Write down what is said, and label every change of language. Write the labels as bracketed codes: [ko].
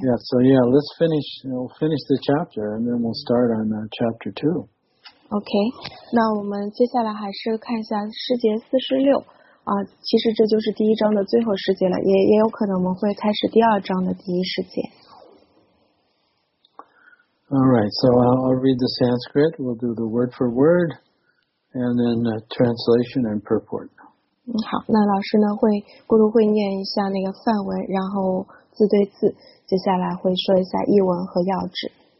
[en] let's finish, we'll finish the chapter, and then we'll start on chapter 2. [zh] Okay, 那我们接下来还是看一下诗节46。其实这就是第一章的最后诗节了，也有可能我们会开始第二章的第一诗节。 [en] All right, so I'll read the Sanskrit, we'll do the word for word, and then translation and purport. [zh] 好，那老师呢会咕噜会念一下那个梵文，然后字对字，接下来会说一下译文和要旨。